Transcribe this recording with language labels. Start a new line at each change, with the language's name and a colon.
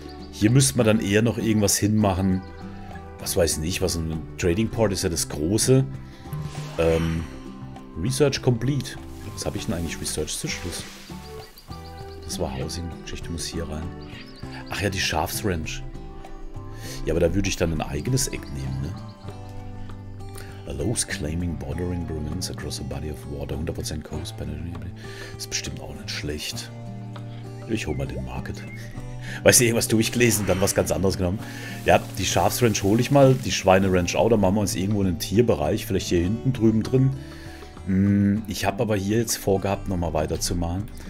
German: Hier müsste man dann eher noch irgendwas hinmachen. Was weiß ich nicht. Was ein Trading Port ist ja das große.
English: Research complete.
German: Was habe ich denn eigentlich? Research zu Schluss. Das war Housing. Geschichte muss hier rein. Ach ja, die Schafsranch. Ja, aber da würde ich dann ein eigenes Eck nehmen, ne?
English: Allows claiming bordering ruins across a body of water. 100% coast penetration.
German: Ist bestimmt auch nicht schlecht. Ich hole mal den Market. Weißt du, irgendwas durchgelesen und dann was ganz anderes genommen. Ja, die Schafsranch hole ich mal. Die Schweineranch auch. Da machen wir uns irgendwo einen Tierbereich. Vielleicht hier hinten drüben drin. Ich habe aber hier jetzt vorgehabt, nochmal weiterzumachen.